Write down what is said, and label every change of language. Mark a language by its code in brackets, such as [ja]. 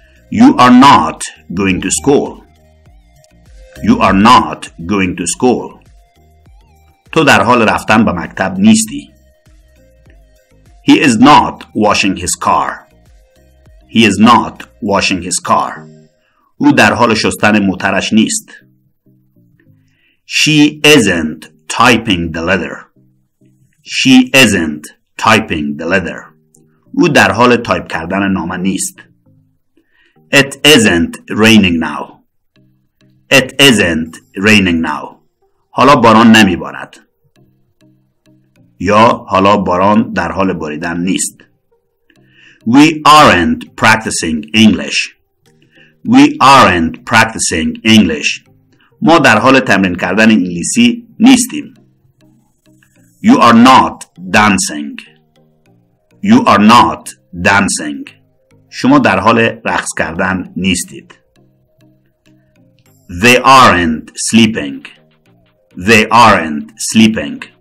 [en] You are not going to school. You are not going to school. [fa] تو در حال رفتن به مکتب نیستی. [en] He is not washing his car. He is not washing his car. [fa] او در حال شستن موترش نیست. [en] She isn't typing the letter. She isn't typing the letter. [fa] او در حال تایپ کردن نامه نیست. [en] It isn't raining now. It isn't raining now. [fa] حالا باران نمی بارد. یا حالا باران در حال باریدن نیست. [en] We aren't practicing English. We aren't practicing English. [fa] ما در حال تمرین کردن انگلیسی نیستیم. [en] You are not dancing. You are not dancing. [fa] شما در حال رقص کردن نیستید. [en] They aren't sleeping. They aren't sleeping.